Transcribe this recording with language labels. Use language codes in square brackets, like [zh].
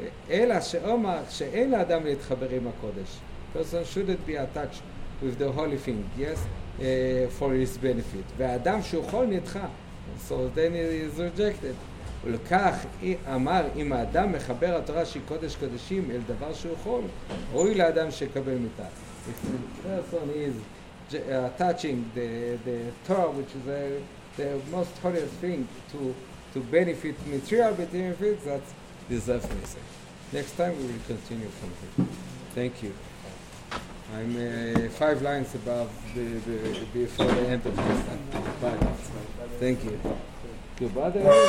[he] אלא שאומר שאין לאדם להתחבר עם הקודש. [en] Person shouldn't be attached with the holy thing, yes, for his benefit. [he] והאדם שהוא חול נדחה, [en] so then he is rejected. [he] ולכך אמר, אם האדם מחבר התורה שהיא קודש קודשים אל דבר שהוא חול, ראוי לאדם שיקבל מיתה. [en] If the person is attaching the Torah, which is the most holiest thing to benefit material benefit, that deserves mitzvah. Next time we will continue from here. Thank you. I'm five lines above the before the end of this time. Bye. Thank you. Your brother?